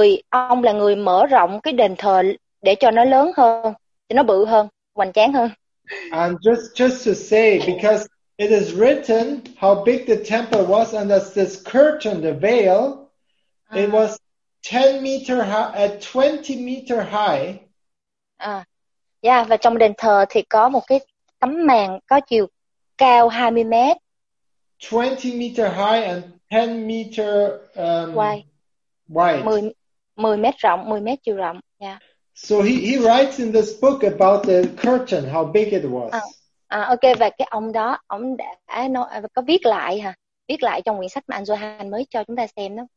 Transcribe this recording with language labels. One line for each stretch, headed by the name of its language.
Vietnamese: Ông là người mở rộng cái đền thờ để cho nó lớn hơn, cho nó bự hơn, hoành tráng hơn.
English: And just to say, because it is written how big the temple was, and there's this curtain, the veil, it was 10 meter high, at 20 meter high.
Vietnamese: Yeah, và trong đền thờ thì có một cái tấm màn có chiều cao 20 mét.
English: 20 meter high and 10 meter wide.
Vietnamese: 10 mét rộng, 10 mét chiều rộng. Yeah.
English: So he writes in this book about the curtain, how big it was.
Vietnamese: Okay, và cái ông đó, ông đã có viết lại hả? Viết lại trong quyển sách mà anh Johan mới cho chúng ta xem đó.